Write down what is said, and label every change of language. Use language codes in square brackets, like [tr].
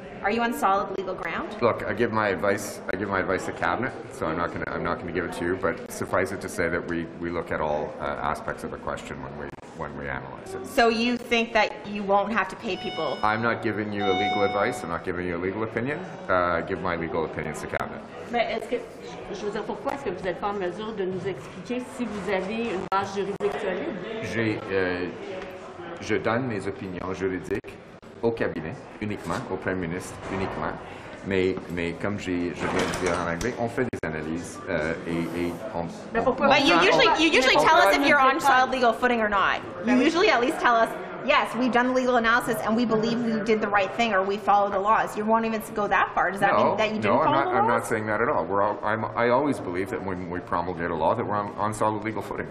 [en] Are you on solid legal ground? Look, I give my advice to cabinet, so I'm not going to give it to you. But suffice it to say that we look at all aspects of the question when we analyze it. So you think that you won't have to pay people? I'm not giving you a legal advice. I'm not giving you a legal opinion. Give my legal opinions to cabinet. [fr] Mais est-ce que je veux dire pourquoi est-ce que vous n'êtes pas en mesure de nous expliquer si vous avez une base juridique solide? Je donne mes opinions juridiques au cabinet, uniquement, au premier ministre, uniquement. Mais comme je viens de dire en anglais, on fait des analyses [en] You usually tell us if you're on solid legal footing or not. You usually at least tell us, yes, we've done the legal analysis and we believe we did the right thing or we follow the laws. You won't even go that far. Does that mean that you didn't follow the laws? No, I'm not saying that at all. I always believe that when we promulgate a law that we're on solid legal footing.